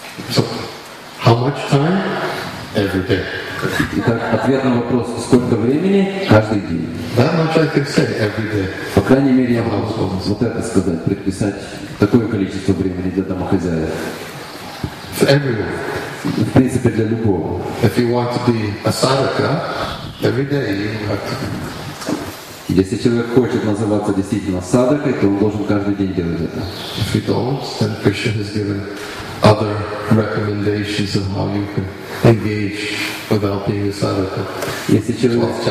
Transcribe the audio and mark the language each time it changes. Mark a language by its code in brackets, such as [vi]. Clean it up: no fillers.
[en] So, how much time? Every day. [ru] Итак, ответ на вопрос, сколько времени? Каждый день. [en] That much I can say every day. [ru] По крайней мере, я могу вот это сказать, предписать такое количество времени для домохозяев. [en] For everyone. [ru] В принципе, для любого. [en] If you want to be a sadhaka, every day you have to. [ru] Если человек хочет называться действительно садхакой, то он должен каждый день делать это. [en] If you don't, then Krishna has given other recommendations of how you can engage without being a sadhaka.